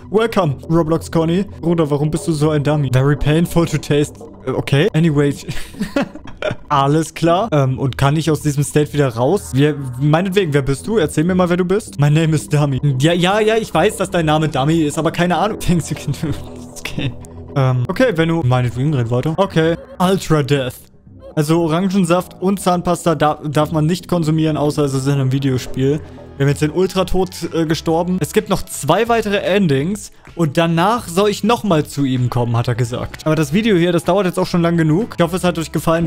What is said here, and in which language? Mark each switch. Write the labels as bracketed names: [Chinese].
[English] Welcome, Roblox Conny. [German] Bruder, warum bist du so ein Dummy? [English] Very painful to taste. Okay. Anyway. [German] Alles klar. Und kann ich aus diesem State wieder raus? Meinetwegen, wer bist du? Erzähl mir mal, wer du bist. [English] My name is Dummy. [German] Ja, ich weiß, dass dein Name Dummy ist, aber keine Ahnung. [English] Thanks, you can do this game. [German] Okay, wenn du... Meinetwegen, red weiter. Okay. Ultra Death. Also Orangensaft und Zahnpasta darf man nicht konsumieren, außer es ist in einem Videospiel. Wir haben jetzt den Ultratod gestorben. Es gibt noch zwei weitere Endings. Und danach soll ich nochmal zu ihm kommen, hat er gesagt. Aber das Video hier, das dauert jetzt auch schon lang genug. Ich hoffe, es hat euch gefallen.